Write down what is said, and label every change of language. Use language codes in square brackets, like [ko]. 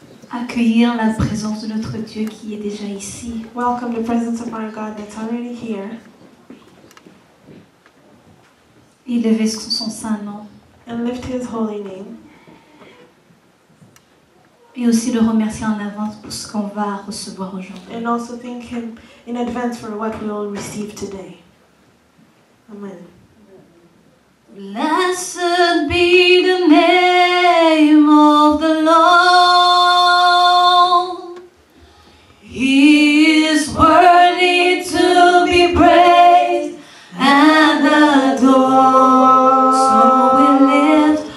[fr] accueillir la présence de notre Dieu qui est déjà ici. [en] Welcome the presence of our God that's already here. [fr] Et lever son saint nom. [en] And lift his holy name. [fr] Et aussi le remercier en avance pour ce qu'on va recevoir aujourd'hui. [en] And also thank him in advance for what we will receive today. Amen. Blessed be the name of the Lord. He is worthy to be praised and adored.